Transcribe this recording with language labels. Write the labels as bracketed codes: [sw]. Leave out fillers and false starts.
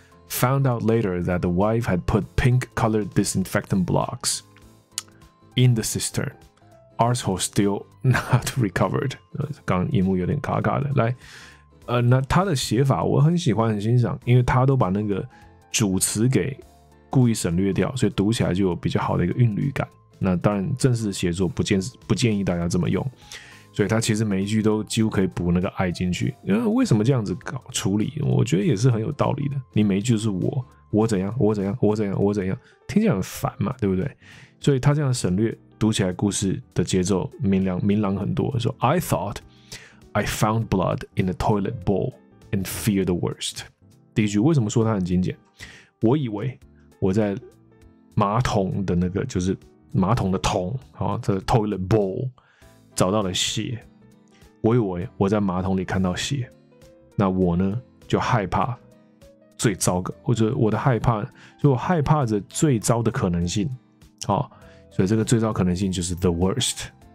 [en] Found out later that the wife had put pink-colored disinfectant blocks in the cistern. Arsehole still not recovered. [zh] 刚荧幕有点卡卡的。来，那他的写法我很喜欢，很欣赏，因为他都把那个主词给故意省略掉，所以读起来就有比较好的一个韵律感。那当然，正式写作不建议大家这么用。所以他其实每一句都几乎可以补那个爱进去。为什么这样子搞处理？我觉得也是很有道理的。你每一句都是我怎样，我怎样，我怎样，我怎样，听起来很烦嘛，对不对？所以他这样省略，读起来故事的节奏明朗很多。 [en] 说 I thought I found blood in the toilet bowl and feared the worst. [zh] 第一句为什么说他很精简？我以为我在马桶的那个，就是马桶的桶，好，这 toilet bowl。找到了血，我以为我在马桶里看到血，那我呢就害怕最糟的，或者我的害怕，就我害怕着最糟的可能性，好、哦，所以这个最糟可能性就是 the worst。